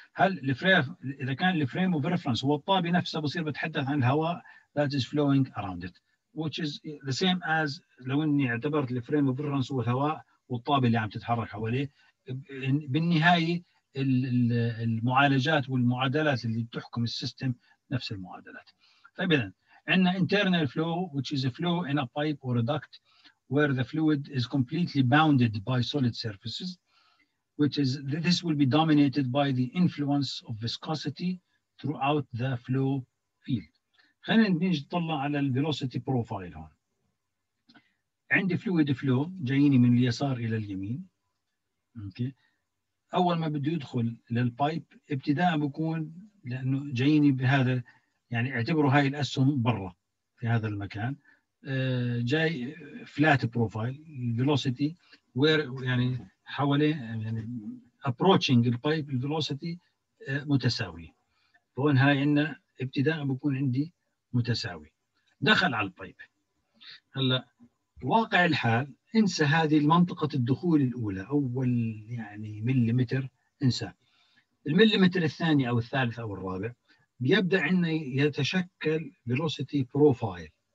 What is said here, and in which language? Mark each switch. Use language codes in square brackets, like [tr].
[ar] هل الفريم اذا كان الفريم اوف ريفرنس هو الطابه نفسها بصير بتحدث عن الهواء [en] that is flowing around it which is the same as [ar] لو اني اعتبرت الفريم اوف ريفرنس هو الهواء والطابه اللي عم تتحرك حواليه. بالنهايه المعالجات والمعادلات اللي بتحكم السيستم نفس المعادلات. فاذا عندنا [en] internal flow which is a flow in a pipe or a duct where the fluid is completely bounded by solid surfaces which is this will be dominated by the influence of viscosity throughout the flow field. [ar] خلينا نطلع على الـ [en] velocity profile [ar] هون. عندي [en] fluid flow [ar] جاييني من اليسار الى اليمين. اوكي. اول ما بده يدخل للبايب ابتداء بكون لانه جاييني بهذا يعني اعتبروا هاي الاسهم برا في هذا المكان. [en] جاي flat profile velocity where [ar] يعني حوالي يعني [en] approaching the pipe velocity متساوي. [ar] فهون هاي عنا ابتداء بكون عندي متساوي دخل على البايب. هلا واقع الحال انسى هذه المنطقة الدخول الأولى أول يعني مليمتر انسى. المليمتر الثاني أو الثالث أو الرابع بيبدأ عنا يتشكل velocity profile.